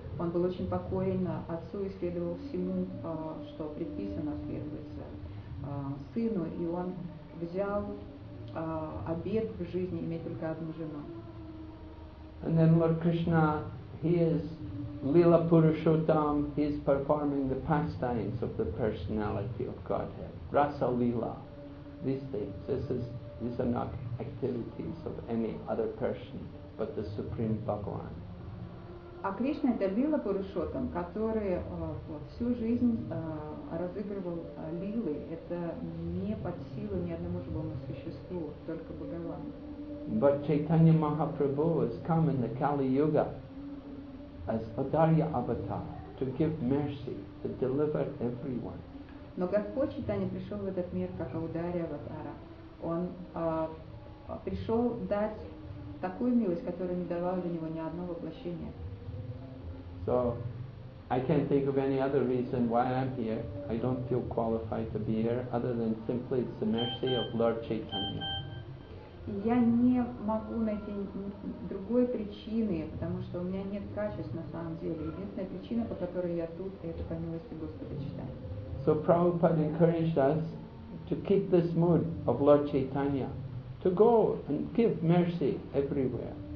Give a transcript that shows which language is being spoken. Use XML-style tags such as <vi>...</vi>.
<ru>Он был очень покорен отцу и следовал всему, что предписано следовать сыну. И он взял обет в жизни иметь только одну жену.</ru> <en>And then Lord Krishna, he is Lila Purushottam, he is performing the pastimes of the personality of Godhead. Rasa Lila, these things, these are not activities of any other person, but the Supreme Bhagavan.</en> <ru>А Кришна это Лила Пурушоттам, который всю жизнь разыгрывал лилы. Это не под силу ни одному живому существу, только Бхагавану.</ru> <en>But Chaitanya Mahaprabhu has come in the Kali Yuga as Adarya Avatar to give mercy, to deliver everyone.</en> <ru>Но Господь Чайтанья пришел в этот мир как Аударья Аватара. Он пришел дать такую милость, которая не давала для него ни одного воплощения.</ru> <en>So I can't think of any other reason why I'm here. I don't feel qualified to be here other than simply it's the mercy of Lord Chaitanya.</en> <ru>Я не могу найти другой причины, потому что у меня нет качеств на самом деле. Единственная причина, по которой я тут, это по милости Господа Чайтанья.</ru> <en>So Prabhupada encouraged us to keep this mood of Lord Chaitanya, to go and give mercy everywhere.</en>